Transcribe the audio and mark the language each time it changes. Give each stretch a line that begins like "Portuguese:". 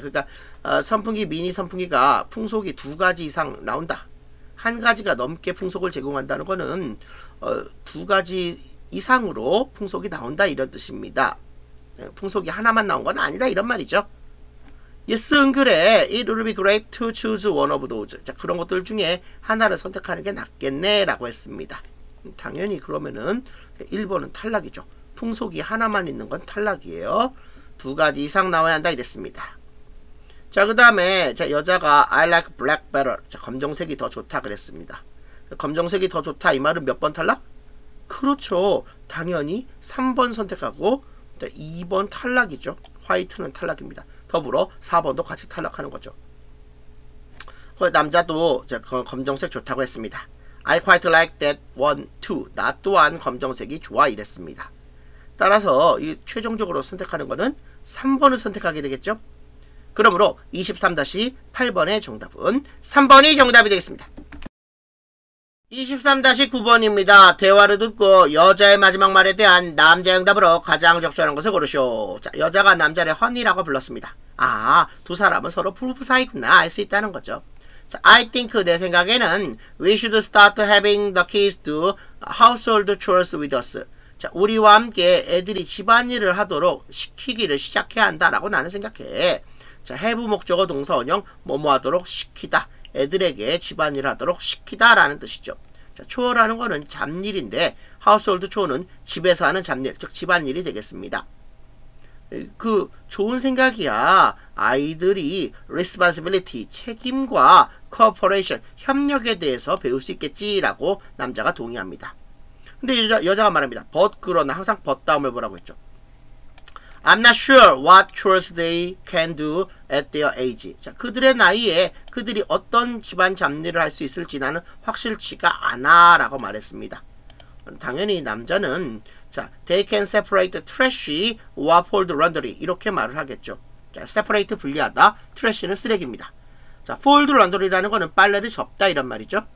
Korean: 그러니까 선풍기, 미니 선풍기가 풍속이 두 가지 이상 나온다. 한 가지가 넘게 풍속을 제공한다는 것은 두 가지 이상으로 풍속이 나온다 이런 뜻입니다. 풍속이 하나만 나온 건 아니다 이런 말이죠. Yes, 그래.
English: It would be great to choose one of those.
Korean: 자, 그런 것들 중에 하나를 선택하는 게 낫겠네 라고 했습니다. 당연히 그러면은 1번은 탈락이죠. 풍속이 하나만 있는 건 탈락이에요. 두 가지 이상 나와야 한다 이랬습니다. 자, 그 다음에 여자가
English: I like black better.
Korean: 자, 검정색이 더 좋다 그랬습니다. 검정색이 더 좋다 이 말은 몇 번 탈락? 그렇죠. 당연히 3번 선택하고 2번 탈락이죠. 화이트는 탈락입니다. 더불어 4번도 같이 탈락하는 거죠. 남자도 검정색 좋다고 했습니다.
English: I quite like that one too.
Korean: 나 또한 검정색이 좋아 이랬습니다. 따라서 이 최종적으로 선택하는 거는 3번을 선택하게 되겠죠. 그러므로 23-8번의 정답은 3번이 정답이 되겠습니다. 23-9번입니다. 대화를 듣고 여자의 마지막 말에 대한 남자 응답으로 가장 적절한 것을 고르쇼. 자, 여자가 남자를 허니라고 불렀습니다. 아, 두 사람은 서로 부부 사이구나 알 수 있다는 거죠.
English: 자, I think
Korean: 내 생각에는
English: we should start having the kids do household chores with us.
Korean: 자, 우리와 함께 애들이 집안일을 하도록 시키기를 시작해야 한다라고 나는 생각해. 자, have 목적어 동사원형 뭐뭐하도록 시키다. 애들에게 집안일 하도록 시키다 라는 뜻이죠. 자, 초어라는 거는 잡일인데 하우스홀드 초어는 집에서 하는 잡일, 즉 집안일이 되겠습니다. 그 좋은 생각이야. 아이들이 responsibility, 책임과 cooperation, 협력에 대해서 배울 수 있겠지라고 남자가 동의합니다. 근데 여자가 말합니다. but 그러나 항상 but 다음을 보라고 했죠.
English: I'm not sure what chores they can do at their age.
Korean: 자, 그들의 나이에 그들이 어떤 집안 잡일을 할 수 있을지 나는 확실치가 않아 라고 말했습니다. 당연히 남자는 자,
English: they can separate trash or fold laundry
Korean: 이렇게 말을 하겠죠. 자, separate 분리하다, trash는 쓰레기입니다. 자, fold laundry라는 거는 빨래를 접다 이런 말이죠.